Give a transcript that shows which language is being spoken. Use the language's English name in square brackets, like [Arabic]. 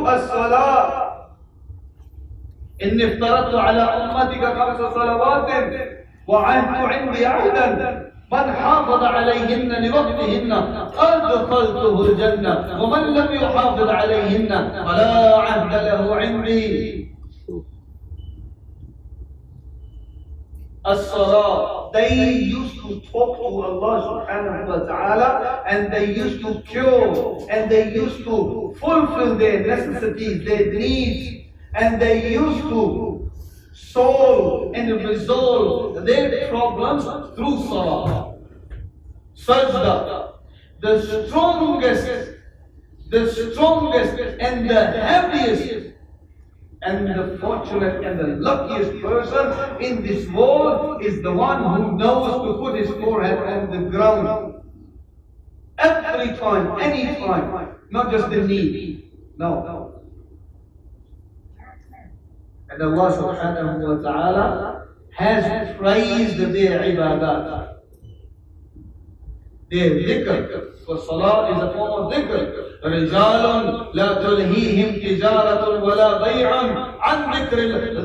[Arabic] الصلاة إني افترضت على أمتك خمس صلوات وعهدت عندي عهدا من حافظ عليهن لوقتهن أدخلته الجنة ومن لم يحافظ عليهن فلا عهد له عندي. As-salah. [English] They used to talk to Allah subhanahu wa ta'ala, and they used to cure, and they used to fulfill their necessities, their needs, and they used to solve and resolve their problems through salah. Sajda, the strongest and the heaviest and the fortunate and the luckiest person in this world is the one who knows to put his forehead on the ground every time, any time, not just the knee, no. And Allah subhanahu wa ta'ala has praised their ibadah, their dhikr, for salah is a form of dhikr. [Arabic] رجال لا تلهيهم تجارة ولا بيع عن ذكر الله.